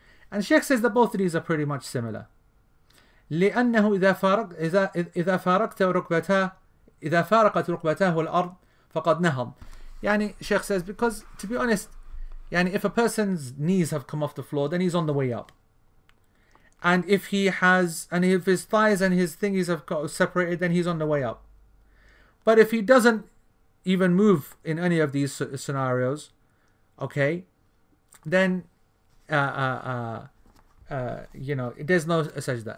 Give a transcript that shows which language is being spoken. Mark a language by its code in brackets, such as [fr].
[en] And Sheikh says that both of these are pretty much similar. [ar] لأنه إذا فارقت ركبتاه إذا فارقت ركبتاه الأرض فقد نهض. [en] يعني Sheikh says, because to be honest, yani if a person's knees have come off the floor, then he's on the way up. And if he has, and if his thighs and his thingies have got separated, then he's on the way up. But if he doesn't even move in any of these scenarios, okay, then you know, there's no sajda.